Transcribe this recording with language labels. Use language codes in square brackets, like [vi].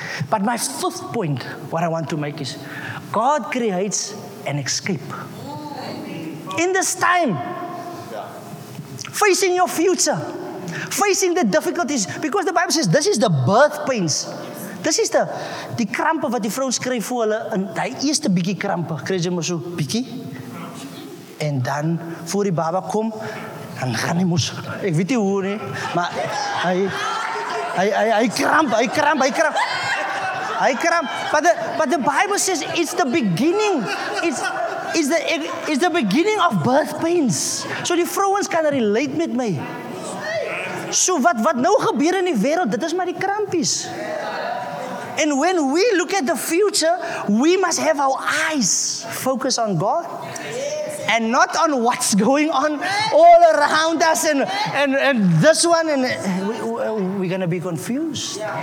[en] But my fifth point, what I want to make is, God creates an escape. In this time, facing your future, facing the difficulties, because the Bible says this is the birth pains. This is the [af] krampe wat die vrouw skryf voor hulle, en die eerste bietjie krampe, kreeg jy maar so, bietjie. En dan, voor die baba kom, dan gaan die moes, ek weet nie hoe nie, maar hy kramp. [en] I cram, but the Bible says it's the beginning. It's the beginning of birth pains. [af] So die vrouens kan relate met my. So wat nou gebeur in die wêreld? Dit is maar die krampies. [en] And when we look at the future, we must have our eyes focus on God. and not on what's going on all around us and this one, and we're going to be confused.